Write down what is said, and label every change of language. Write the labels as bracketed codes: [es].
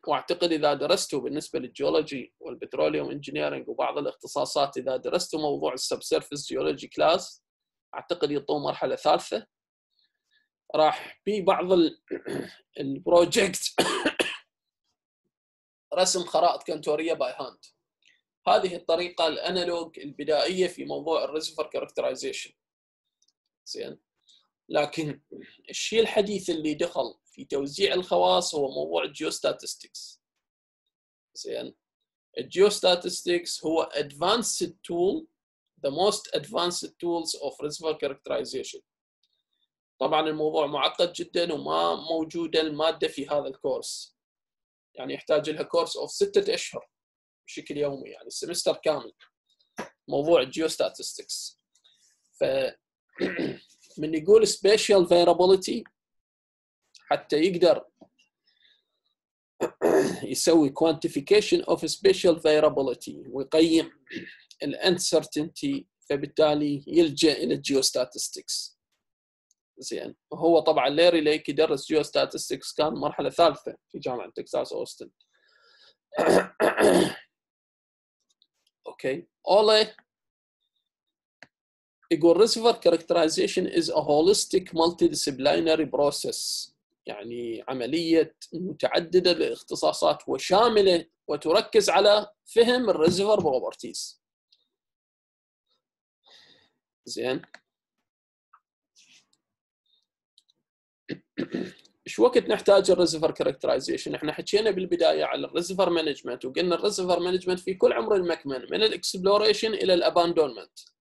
[ar] واعتقد اذا درستوا بالنسبه للجيولوجي والبتروليوم انجينيرنج وبعض الاختصاصات اذا درستوا موضوع السب سيرفيس جيولوجي كلاس اعتقد يطوا مرحله ثالثه راح بي بعض البروجكت رسم خرائط كونتوريه [en] By hand. [ar] هذه الطريقة الانالوج البدائية في موضوع الريزرفر كاركترايزيشن زين. لكن الشيء الحديث اللي دخل في توزيع الخواص هو موضوع الجيوستاتستكس زين. الجيوستاتستكس هو [en] advanced tool, the most advanced tools of reservoir characterization. [ar] طبعا الموضوع معقد جدا وما موجودة المادة في هذا الكورس يعني يحتاج لها كورس of 6 أشهر بشكل يومي يعني سمستر كامل موضوع الجيوستاتستكس. ف من يقول سبيشال فيرابيليتي حتى يقدر يسوي [en] quantification of spatial variability [ar] ويقيم الانسرتينتي فبالتالي يلجأ الى الجيوستاتستكس زين. وهو طبعا ليري ليك يدرس جيوستاتستكس كان مرحله ثالثه في جامعه تكساس اوستن. [en] Okay, Ole, reservoir characterization is a holistic multidisciplinary process [ar] يعني عملية متعددة للاختصاصات وشاملة وتركز على فهم الريزيفر بروبرتيز. زين، شو وقت نحتاج الريزيفر كاركترايزيشن؟ احنا حكينا بالبداية على الريزيفر مانجمنت، وقلنا الريزيفر مانجمنت في كل عمر المكمن من الاكسبلوريشن الى الاباندونمنت.